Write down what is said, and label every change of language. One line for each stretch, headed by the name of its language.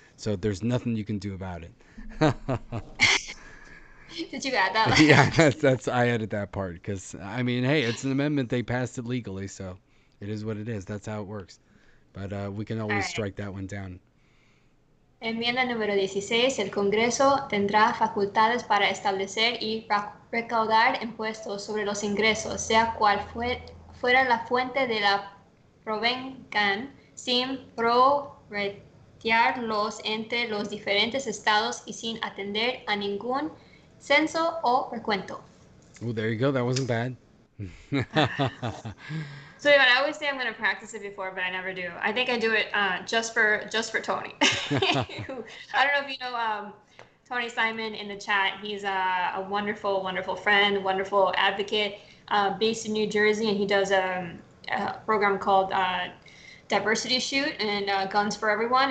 English: So there's nothing you can do about it. Did you add that? Yeah, that's I added that part because, I mean, hey, it's an amendment. They passed it legally, so it is what it is. That's how it works. But we can always strike that one down.
Spanish: Enmienda número 16. El Congreso tendrá facultades para establecer y recaudar impuestos sobre los ingresos, sea cual fuera la fuente de la provengan, sin prorratearlos entre los diferentes estados y sin atender a ningún censo o recuento.
English: Oh, there you go. That wasn't bad. So yeah, I always say I'm gonna practice it before, but I never do. I think I do it just for Tony. I don't know if you know Tony Simon in the chat. He's a wonderful, wonderful friend, wonderful advocate, based in New Jersey, and he does a program called Diversity Shoot and Guns for Everyone.